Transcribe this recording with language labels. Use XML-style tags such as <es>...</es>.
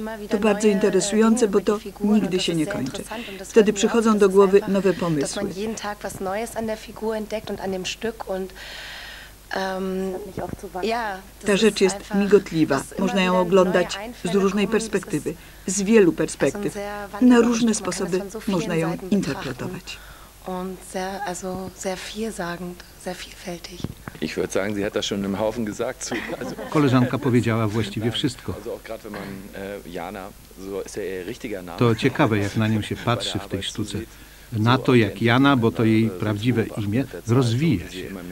<pl>To bardzo interesujące, bo to nigdy się nie kończy. Wtedy przychodzą do głowy nowe pomysły. Ta rzecz jest migotliwa. Można ją oglądać z różnej perspektywy, z wielu perspektyw. Na różne sposoby można ją interpretować.</pl> <de>und sehr, also sehr vielsagend, sehr vielfältig. Ich würde sagen, sie hat das schon im Haufen gesagt.</de> <pl>Koleżanka powiedziała właściwie wszystko. To ciekawe, jak na nią się patrzy w tej sztuce. Na to, jak Jana, bo to jej prawdziwe imię, rozwija się.</pl>